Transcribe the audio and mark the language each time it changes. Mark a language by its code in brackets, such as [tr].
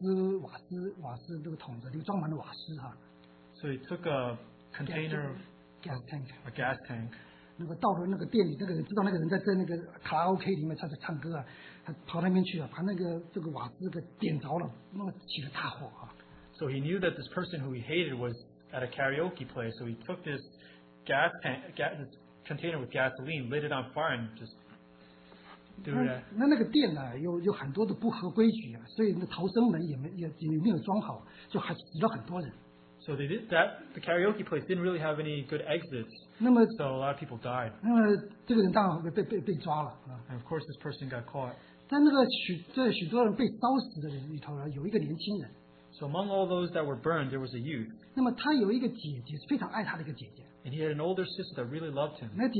[zh] 那么有一天呢，他就拿了一个那个小的瓦斯那个桶子，就装满了瓦斯哈。 [en] So he took a container of gas tank. A gas tank. [zh] 那个到了那个店里，那个人知道那个人在那个卡拉 OK 里面唱歌啊，他跑那边去了，把那个这个瓦斯给点着了，那么起了大火啊。 [en] So he knew that this person who he hated was at a karaoke place. So he took this gas tank, this container with gasoline, lit it on fire and just threw it at. [zh] 那个店呢，有很多的不合规矩啊，所以那逃生门也没有装好，就还死了很多人。 [en] So they did that. The karaoke place didn't really have any good exits. [zh] 那么, [en] so a lot of people died. [zh] 那么这个人当然被抓了啊。 [en] And of course, this person got caught. [zh] 在那个许多人被烧死的人里头呢，有一个年轻人。 [en] So among all those that were burned, there was a youth. [zh] 那么他有一个姐姐，非常爱他的一个姐姐。 [en] And he had an older sister that really loved him.